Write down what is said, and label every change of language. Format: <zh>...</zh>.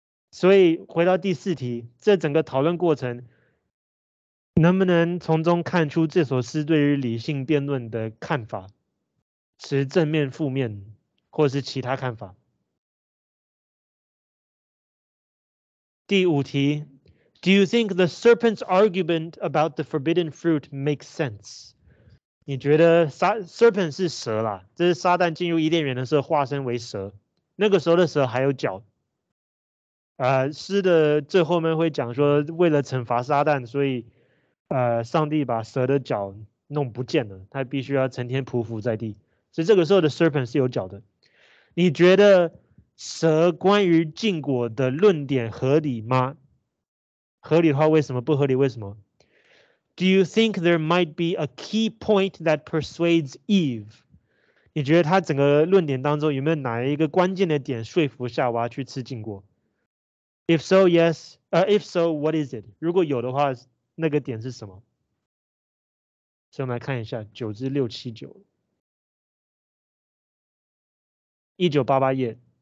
<zh>所以回到第四题，这整个讨论过程能不能从中看出这首诗对于理性辩论的看法，持正面、负面或是其他看法。第五题，</zh> <en>Do you think the serpent's argument about the forbidden fruit makes sense?</en> <zh>你觉得 serpent 是蛇啦，这是撒旦进入伊甸园的时候化身为蛇，那个时候的蛇还有脚。诗的最后面会讲说，为了惩罚撒旦，所以上帝把蛇的脚弄不见了，他必须要成天匍匐在地，所以这个时候的 serpent 是有脚的。你觉得蛇关于禁果的论点合理吗？合理的话为什么？不合理为什么？</zh> <en>Do you think there might be a key point that persuades Eve?</en> <zh>你觉得他整个论点当中有没有哪一个关键的点说服夏娃去吃禁果？</zh> <en>If so, yes. If so, what is it?</en> <zh>如果有的话，那个点是什么？所以我们来看一下九至六七九，一九八八页。</zh>